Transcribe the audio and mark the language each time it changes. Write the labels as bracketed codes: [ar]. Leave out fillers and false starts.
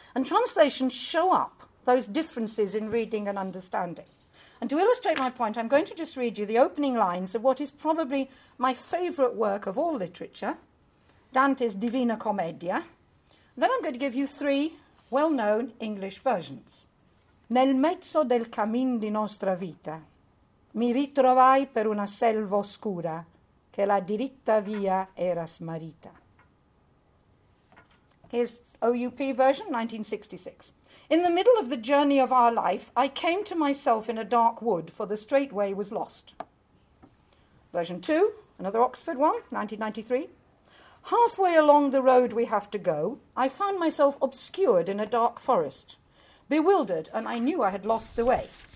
[en] And translations show up those differences in reading and understanding. And to illustrate my point, I'm going to just read you the opening lines of what is probably my favourite work of all literature, Dante's Divina Commedia. Then I'm going to give you three well-known English versions. [it] Nel mezzo del cammin di nostra vita mi ritrovai per una selva oscura che la diritta via era smarrita. [en] Here's OUP version, 1966. In the middle of the journey of our life, I came to myself in a dark wood, for the straight way was lost. Version 2, another Oxford one, 1993. Halfway along the road we have to go, I found myself obscured in a dark forest, bewildered, and I knew I had lost the way.